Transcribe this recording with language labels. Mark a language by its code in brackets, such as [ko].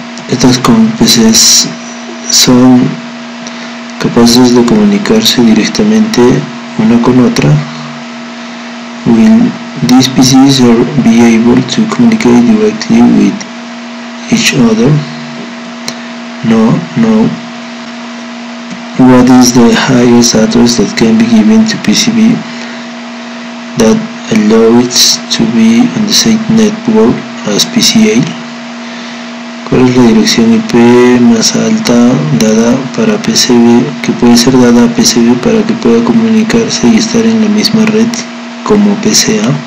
[es] Estas PCs son capaces de comunicarse directamente una con otra. [en] Will these PCs be able to communicate directly with each other? No, no. What is the highest address that can be given to PCB that allows it to be on the same network as PCA? [es] ¿Cuál es la dirección IP más alta dada para PCB que puede ser dada a PCB para que pueda comunicarse y estar en la misma red como PCA?